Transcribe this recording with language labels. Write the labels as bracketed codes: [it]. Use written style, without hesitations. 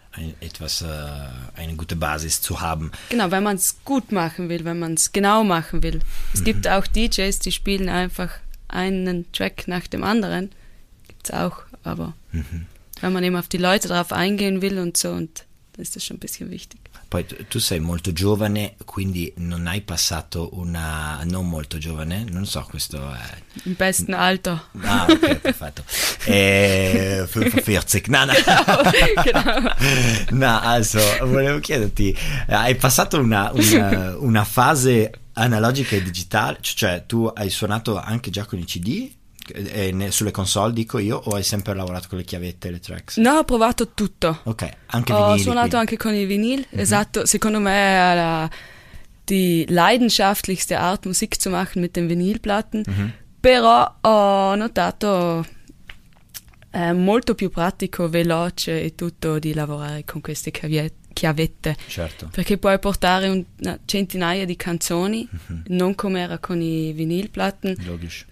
[de] Eine gute Basis zu haben. Genau, wenn man es gut machen will, wenn man es genau machen will. Es gibt auch DJs, die spielen einfach einen Track nach dem anderen, gibt's auch, aber wenn man eben auf die Leute drauf eingehen will und so, und dann ist das schon ein bisschen wichtig. [it] Poi tu sei molto giovane, quindi non hai passato una... non molto giovane, non so, questo è... in besten alto. Ah, ok, perfetto. E... 40. No, no. No, also, volevo chiederti, hai passato una fase analogica e digitale? Cioè, tu hai suonato anche già con i CD? Sulle console, dico io, o hai sempre lavorato con le chiavette e le tracks? No, ho provato tutto. Ok, anche vinili. Ho suonato quindi anche con i vinil, esatto. Secondo me è [de] die leidenschaftlichste Art, Musik zu machen mit den Vinylplatten. [it] Però ho notato, è molto più pratico, veloce e tutto, di lavorare con queste chiavette. Certo. Perché puoi portare una centinaia di canzoni, non come era con i vinilplatten. Logico.